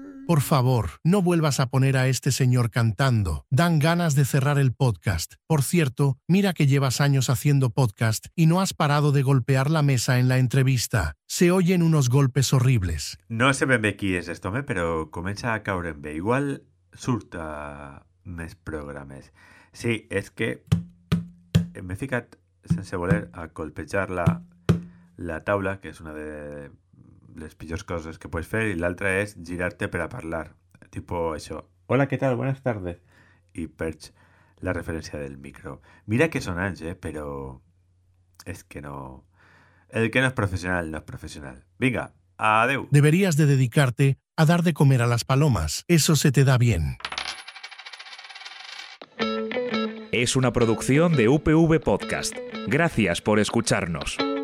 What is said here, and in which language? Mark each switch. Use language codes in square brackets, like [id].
[es] Por favor, no vuelvas a poner a este señor cantando. Dan ganas de cerrar el podcast. Por cierto, mira que llevas años haciendo podcast y no has parado de golpear la mesa en la entrevista. Se oyen unos golpes horribles. [ca] No se ven bé qui és este home, però comença a caure en bé. Igual surt a més programes. Sí, és que m'he ficat sense voler a colpejar la taula, que és una de les pitjors coses que pots fer, i l'altra és girar-te per a parlar. Tipo això. Hola, què tal? [es] Buenas tardes. [ca] I perds la referència del micro. Mira que són anys, però és que no. El que no és professional, no és professional. Vinga, adeu. [es] Deberías de dedicarte a dar de comer a las palomas. Eso se te da bien. Es una producción de UPV Podcast. Gracias por escucharnos.